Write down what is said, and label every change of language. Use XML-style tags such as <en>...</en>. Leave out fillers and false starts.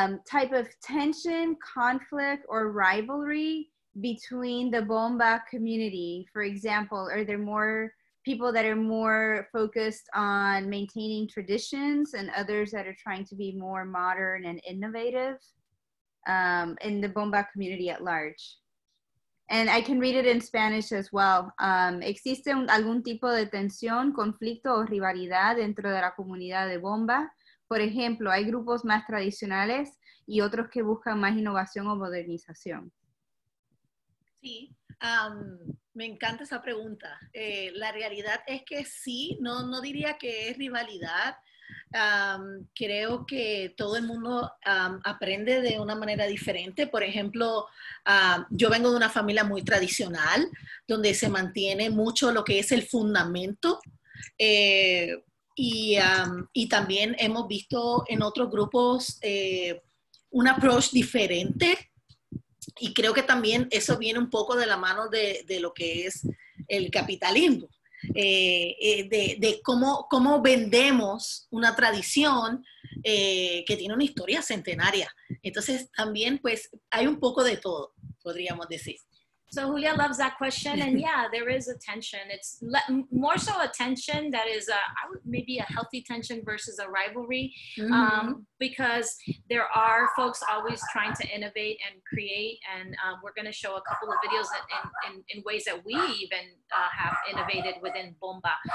<en>type of tension, conflict, or rivalry between the Bomba community, for example? Are there more people that are more focused on maintaining traditions and others that are trying to be more modern and innovative in the Bomba community at large? And I can read it in Spanish as well.</en> <es>¿Existe algún tipo de tensión, conflicto o rivalidad dentro de la comunidad de Bomba? Por ejemplo, ¿hay grupos más tradicionales y otros que buscan más innovación o modernización? Sí, me encanta esa pregunta. La realidad es que sí, no diría que es rivalidad. Creo que todo el mundo aprende de una manera diferente. Por ejemplo, yo vengo de una familia muy tradicional, donde se mantiene mucho lo que es el fundamento. Y también hemos visto en otros grupos un approach diferente. Y creo que también eso viene un poco de la mano de lo que es el capitalismo. De cómo vendemos una tradición que tiene una historia centenaria. Entonces, también, pues, hay un poco de todo, podríamos decir.</es> <en>So, Julia loves that question, and yeah, there is a tension. It's more so a tension that is maybe a healthy tension versus a rivalry, because there are folks always trying to innovate and create, and we're going to show a couple of videos in ways that we even have innovated within Bomba.</en>